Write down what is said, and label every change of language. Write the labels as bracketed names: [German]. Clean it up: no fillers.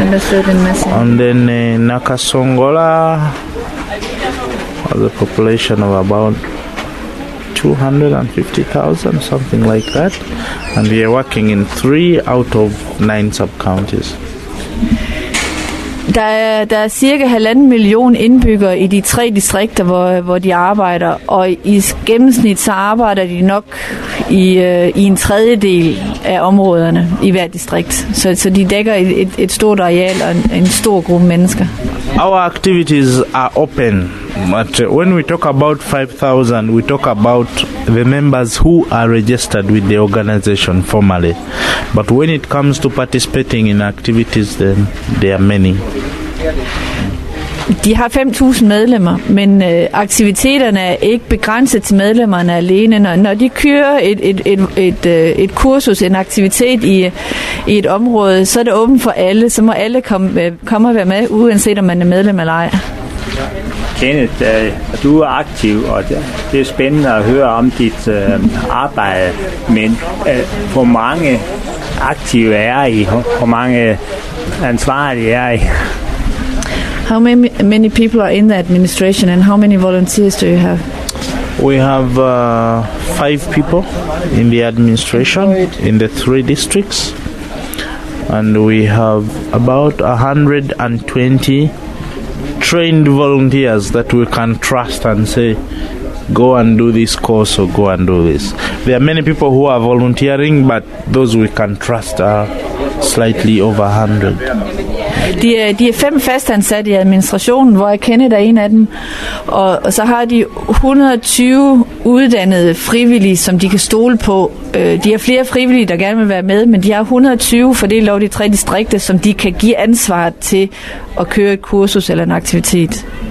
[English] And a third in Masindi. And then Nakasongola has a population of about 250,000, something like that. And we are working in 3 out of 9 sub-counties. [Danish] Der er cirka 1,5 million indbyggere i de 3 distrikter, hvor de arbejder, og i gennemsnit så arbejder de nok i en tredjedel af områderne i hver distrikt. Så de dækker et stort areal og en stor gruppe mennesker. [English] Our activities are open, but when we talk about 5,000, we talk about the members who are registered with the organization formally. But when it comes to participating in activities, then there are many. [Danish] De har 5,000 medlemmer, men aktiviteterne er ikke begrænset til medlemmerne alene. Når de kører et kursus, en aktivitet i et område, så er det åbent for alle. Så må alle komme og være med, uanset om man er medlem eller ej. Kenneth, du er aktiv, og det er spændende at høre om dit arbejde. Men hvor mange aktive er I? Hvor mange ansvarlige er I? [English] How many people are in the administration, and how many volunteers do you have? We have 5 people in the administration in the 3 districts, and we have about 120 trained volunteers that we can trust and say, go and do this course or go and do this. There are many people who are volunteering, but those we can trust are slightly over 100. [Danish] De er 5 fastansatte i administrationen, hvor jeg kender der en af dem. Og så har de 120 uddannede frivillige, som de kan stole på. De har flere frivillige, der gerne vil være med, men de har 120 fordelt over de 3 distrikter, som de kan give ansvar til at køre et kursus eller en aktivitet.